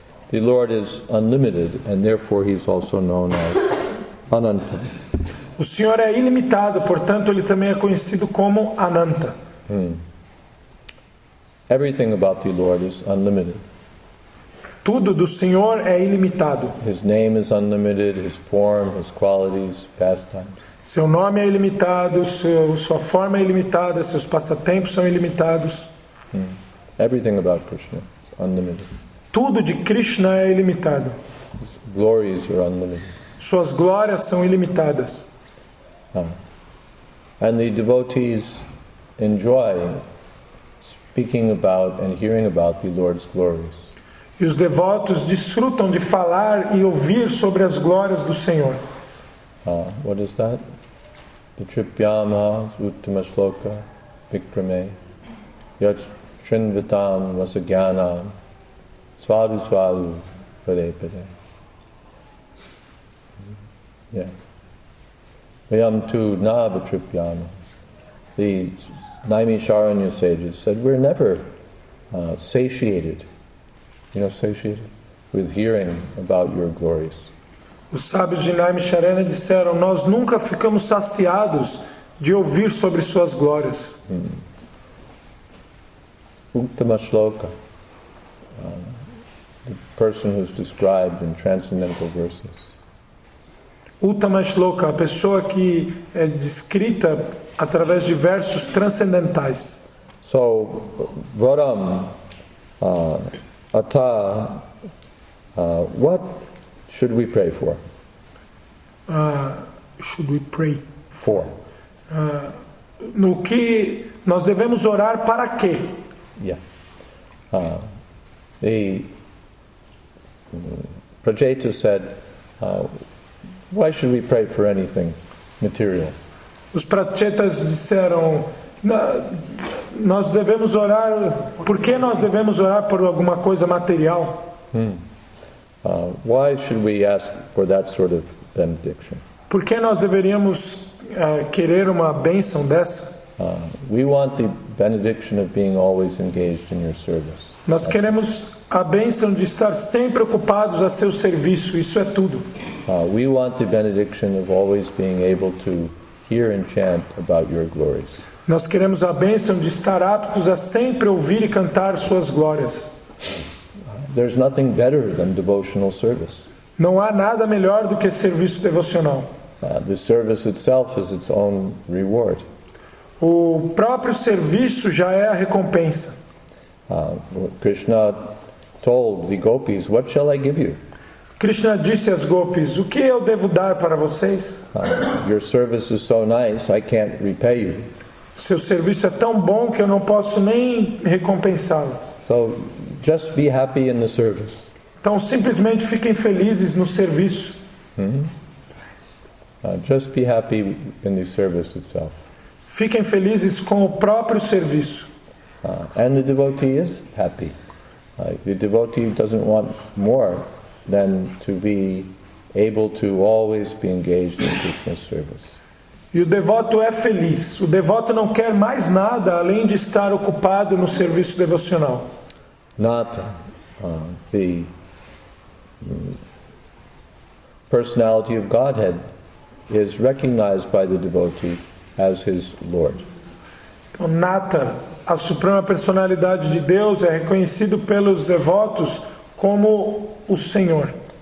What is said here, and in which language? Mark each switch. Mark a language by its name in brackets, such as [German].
[English] The Lord is unlimited and therefore he's also known as Ananta. [Portuguese] O Senhor é ilimitado, portanto ele também é conhecido como Ananta. [English] Everything about the Lord is unlimited. [Portuguese] Tudo do Senhor é ilimitado. [English] His name is unlimited, his form, his qualities, pastimes. [Portuguese] Seu nome é ilimitado, sua forma é ilimitada, seus passatempos são ilimitados. [English] Everything about Krishna is unlimited. [Portuguese] Tudo de Krishna é ilimitado. [English] His glories are unlimited. [Portuguese] Suas glórias são ilimitadas. [English] And the devotees enjoy speaking about and hearing about the Lord's glories. [Portuguese] E os devotos desfrutam de falar e ouvir sobre as glórias do Senhor. [English] What is that? [Sanskrit] The Tripyama, Uttama Shloka, Vikrame, Yat Shrinvatam, Vasagyana, Swadu Swadu, Pade Pade. Vayam Tu Nava Tripyama. [English] The Naimisharanya sages said, we're never satiated. You know, satiated with hearing about your glories. [Portuguese] Os sábios de Naimisharanya disseram, nós nunca ficamos saciados de ouvir sobre suas glórias. [English] Uttama Shloka, the person who's described in transcendental verses. [Portuguese] Uttama Shloka, a pessoa que é descrita através de versos transcendentais. [English] So, [Sanskrit] varam, atá, [English] what should we pray for? Should we pray for? [Portuguese] No que nós devemos orar para quê? [English] The Prajeta said, why should we pray for anything material? [Portuguese] Os Prachetas disseram, nós devemos orar, por que nós devemos orar por alguma coisa material? [English] Why should we ask for that sort of benediction? [Portuguese] Por que nós deveríamos querer uma bênção dessa? [English] We want the benediction of being always engaged in your service. [Portuguese] Nós queremos a bênção de estar sempre ocupados a seu serviço, isso é tudo. [English] We want the benediction of always being able to hear and chant about your glories. [Portuguese] Nós queremos a bênção de estar aptos a sempre ouvir e cantar suas glórias. [English] There's nothing better than devotional service. [Portuguese] Não há nada melhor do que serviço devocional. [English] The service itself is its own reward. [Portuguese] O próprio serviço já é a recompensa. [English] Krishna told the gopis, "What shall I give you?" [Portuguese] Krishna disse às gopis, "O que eu devo dar para vocês?" [English] Your service is so nice, I can't repay you. [Portuguese] Seu serviço é tão bom que eu não posso nem recompensá-los. [English] So, just be happy in the service. [Portuguese] Então, simplesmente fiquem felizes no serviço. [English] Just be happy in the service itself. [Portuguese] Fiquem felizes com o próprio serviço. [English] And the devotee is happy. The devotee doesn't want more than to be able to always be engaged in Krishna's service. [Portuguese] E o devoto é feliz. O devoto não quer mais nada além de estar ocupado no serviço devocional. [English] Nata, the personality of Godhead is recognized by the devotee as his Lord. [Portuguese] Então, Nata, a suprema personalidade de Deus, é reconhecido pelos devotos como o Senhor.